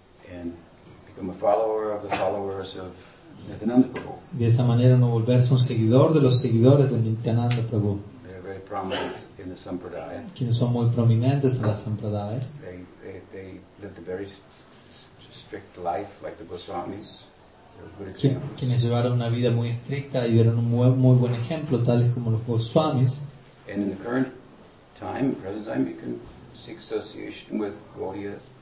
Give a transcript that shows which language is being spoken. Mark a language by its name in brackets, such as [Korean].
[English] And become a follower of the followers of Nityananda Prabhu. [Spanish] De esa manera no volverse un seguidor de los seguidores de Nityananda Prabhu. [English] They are very prominent in the Sampradaya. [Spanish] Quienes son muy prominentes en la Sampradaya. [English] They lived a very strict life like the Goswamis. [Spanish] Quienes llevaron una vida muy estricta y dieron un muy, muy buen ejemplo, tales como los Goswamis. [English] And in the current time, present time, you can seek association with Gaudiya.